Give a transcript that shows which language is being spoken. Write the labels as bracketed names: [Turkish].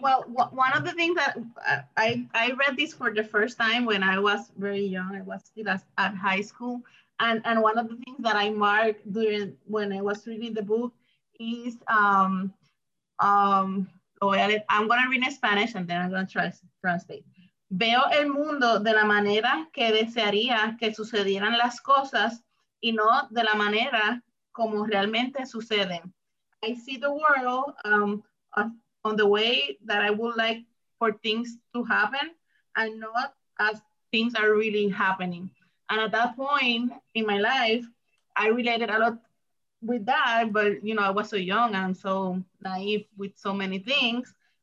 [English] One of the things that I read this for the first time when I was very young, I was still at high school. And one of the things that I marked when I was reading the book is, I'm going to read in Spanish and then I'm going to try to translate. [Spanish] Veo el mundo de la manera que desearía que sucedieran las cosas y no de la manera como realmente suceden. [English] I see the world on the way that I would like for things to happen and not as things are really happening. And at that point in my life, I related a lot with that, but I was so young and so naive with so many things.